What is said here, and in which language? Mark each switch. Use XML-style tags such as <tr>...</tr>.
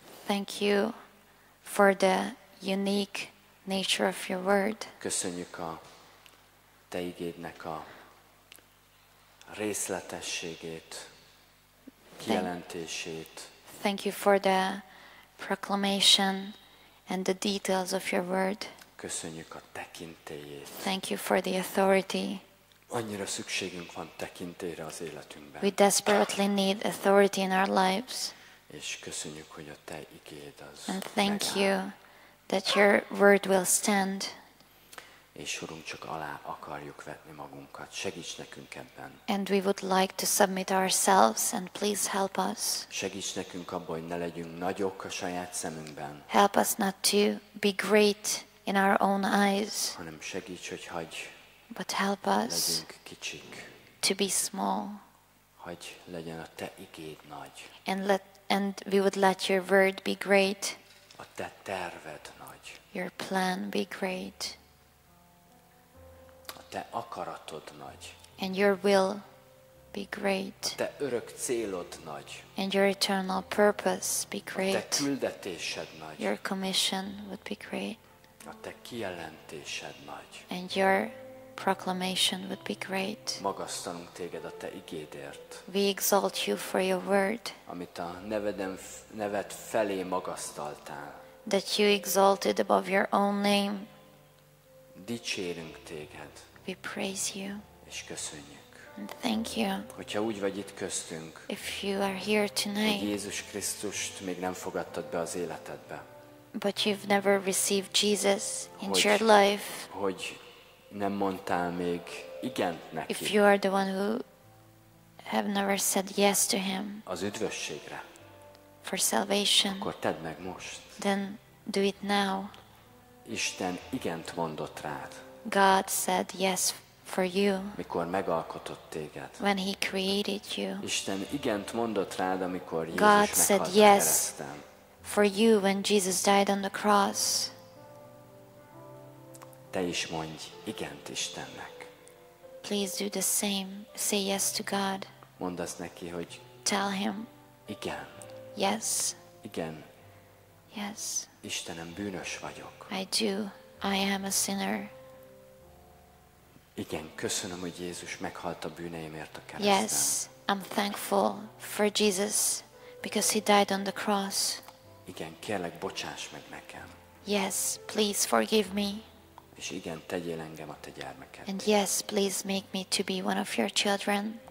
<en>Thank you for the unique nature of your word.</en> <hu>Köszönjük a te igédnek a részletességét, kijelentését.</hu> <en>Thank you for the proclamation and the details of your word.</en> <hu>Köszönjük a tekintélyét.</hu> <en>Thank you for the authority.</en> <hu>Annyira szükségünk van tekintélyre az életünkben.</hu> <en>We desperately need authority in our lives.</en> <hu>És köszönjük, hogy a te igéd az.</hu> <en>And thank you that your word will stand.</en> <hu>És Urunk, csak alá akarjuk vetni magunkat. Segíts nekünk ebben.</hu> <en>And we would like to submit ourselves and please help us.</en> <hu>Segíts nekünk abban, hogy ne legyünk nagyok a saját szemünkben.</hu> <en>Help us not to be great in our own eyes.</en> <hu>Hanem segíts, hogy hagyj.</hu> <en>But help us</en> <hu>kicsik.</hu> <en>To be small.</en> <hu>Hagyj legyen a te igéd nagy.</hu> <en>And we would let your word be great.</en> <hu>A te terved nagy.</hu> <en>Your plan be great.</en> <hu>Te akaratod nagy.</hu> <en>And your will be great.</en> <hu>Te örök célod nagy.</hu> <en>And your eternal purpose be great.</en> <hu>Te küldetésed nagy.</hu> <en>Your commission would be great.</en> <hu>A te kijelentésed nagy.</hu> <en>And your proclamation would be great.</en> <hu>Magasztalunk téged a te igédért.</hu> <en>We exalt you for your word.</en> <hu>Amit a neved felé magasztaltál.</hu> <en>That you exalted above your own name.</en> <hu>Dicsérünk téged.</hu> <en>We praise you.</en> <hu>És köszönjük.</hu> <en>And thank you.</en> <hu>Hogyha úgy vagy itt köztünk.</hu> <en>If you are here tonight.</en> <hu>Hogy Jézus Krisztust még nem fogadtad be az életedbe.</hu> <en>But you've never received Jesus into your life.</en> <hu>Hogy nem mondtál még igent neki.</hu> <en>If you are the one who have never said yes to him.</en> <hu>Az üdvösségre.</hu> <en>For salvation.</en> <hu>Akkor tedd meg most.</hu> <en>Then do it now.</en> <hu>Isten igent mondott rád.</hu> <en>God said yes for you.</en> <hu>Mikor megalkotott téged.</hu> <en>When he created you.</en> <hu>Isten igent mondott rád, amikor Jézus</hu> <en>God said yes</en> <hu>keresztem.</hu> <en>For you when Jesus died on the cross.</en> <hu>Te is mondj igent Istennek.</hu> <en>Please do the same. Say yes to God.</en> <hu>Mondd azt neki, hogy</hu> <en>tell him.</en> <hu>Igen.</hu> <en>Yes.</en> <hu>Igen.</hu> <en>Yes.</en> <hu>Istenem, bűnös vagyok.</hu> <en>I do. I am a sinner.</en> <hu>Igen, köszönöm, hogy Jézus meghalt a bűneimért a kereszten.</hu> <en>Yes, I'm thankful for Jesus because he died on the cross.</en> <hu>Igen, kérlek, bocsáss meg nekem.</hu> <en>Yes, please forgive me.</en> <hu>És igen, tegyél engem a te gyermeked.</hu> <en>And yes, please make me to be one of your children.</en>